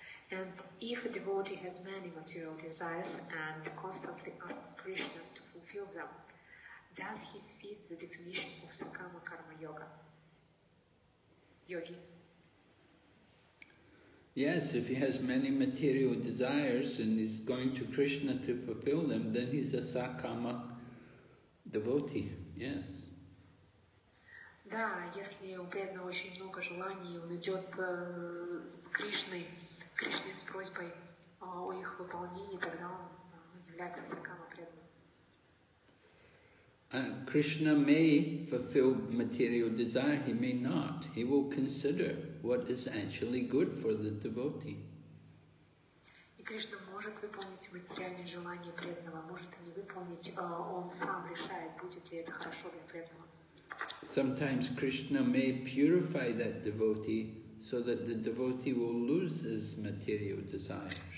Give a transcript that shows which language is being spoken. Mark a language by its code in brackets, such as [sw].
[en] And if a devotee has many material desires and constantly asks Krishna to fulfill them, does he fit the definition of Sakama Karma Yoga? Yogi? Yes, if he has many material desires and is going to Krishna to fulfill them, then he's a Sakama devotee. Yes. [ru] Да, если у преданного очень много желаний, он идет с Кришной, Кришне с просьбой о их выполнении, тогда он является сакама преданным. [en] Krishna may fulfill material desire, he may not. He will consider what is actually good for the devotee. [ru] И Кришна может выполнить материальные желания преданного, может не выполнить, он сам решает, будет ли это хорошо для преданного. [en] Sometimes Krishna may purify that devotee so that the devotee will lose his material desires.